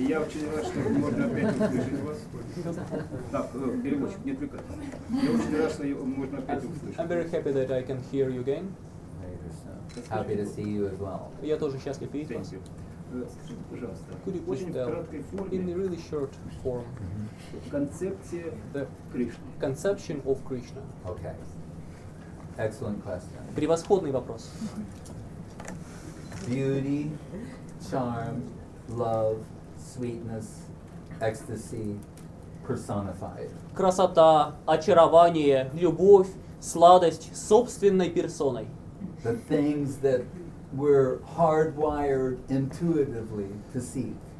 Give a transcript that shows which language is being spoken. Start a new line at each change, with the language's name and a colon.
Russian: Я очень рад, что можно опять услышать вас. Так, переводчик, не отвлекаться. Я очень рад, что можно опять услышать.
English: I'm very happy that I can hear you again. Happy to see you as well.
Russian: Я тоже счастлив видеть вас. Спасибо. Пожалуйста.
English: Could you please tell, in a really short form,
Russian: концепция
English: the
Russian: Кришны.
English: Conception of Krishna. Okay. Excellent question.
Russian: Превосходный вопрос.
English: Beauty, charm, love, sweetness, ecstasy, personified.
Russian: Красота, очарование, любовь, сладость собственной персоной.
English: The things that we're hardwired intuitively to see.